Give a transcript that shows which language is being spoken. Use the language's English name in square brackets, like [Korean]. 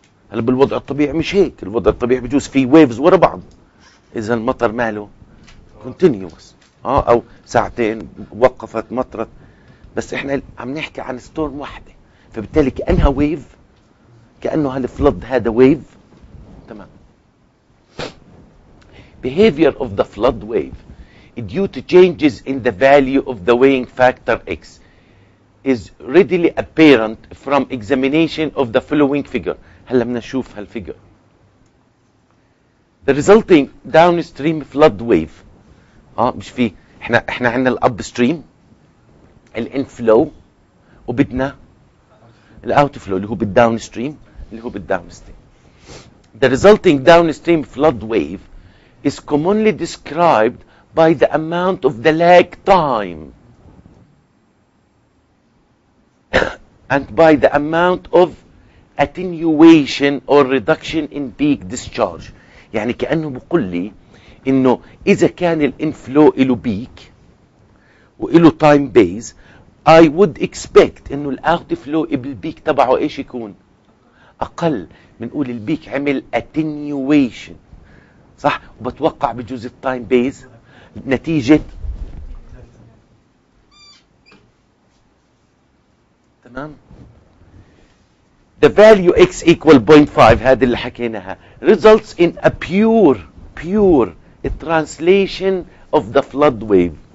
[Arabic] هلا بالوضع الطبيعي مش هيك، الوضع الطبيعي بجوز في ويفز ورا بعض اذا المطر ماله كونتينيوس، او ساعتين وقفت مطرت، بس احنا عم نحكي عن ستورم واحده، فبالتالي كانها ويف، كانه هالفلود هذا ويف. تمام. [English] behavior of the flood wave due to changes in the value of the weighing factor x is readily apparent from examination of the following figure. [Arabic] هلا بدنا نشوف هالفيجر. [English] The resulting downstream flood wave. [Arabic] مش في احنا عندنا الاب ستريم الان فلو وبدنا الاوت فلو اللي هو بالداون ستريم اللي هو بالداون ستريم. [English] The resulting downstream flood wave is commonly described by the amount of the lag time and by the amount of attenuation or reduction in peak discharge. [Arabic] يعني كأنه بقول لي انه اذا كان الانفلو له بيك وله تايم بيز، [English] I would expect [Arabic] انه الاوت فلو بالبيك تبعه ايش يكون؟ اقل. بنقول البيك عمل attenuation، صح؟ وبتوقع بجوز التايم بيز نتيجة، تمام؟ [English] The value x equal 0.5 [Arabic] هذا اللي حكيناها [English] results in a pure translation of the flood wave.